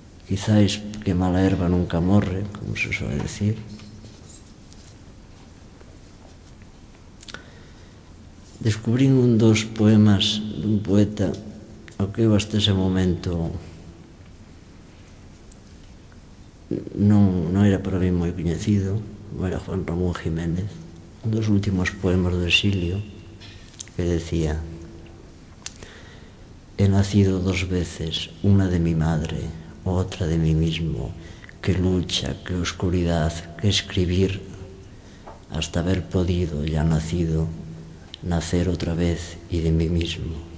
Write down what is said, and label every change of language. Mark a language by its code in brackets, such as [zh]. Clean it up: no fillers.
[gl] Quizáis que mala herba nunca morre, [es] como se suele decir. [gl] Descubrín un dos poemas dun poeta ao que eu hasta ese momento non era para mí moi coñecido, era Juan Ramón Jiménez, un dos últimos poemas do exilio, que decía: [es] he nacido dos veces, una de mi madre, otra de mí mismo, que lucha, que oscuridad, que escribir, hasta haber podido, ya nacido, nacer otra vez y de mí mismo.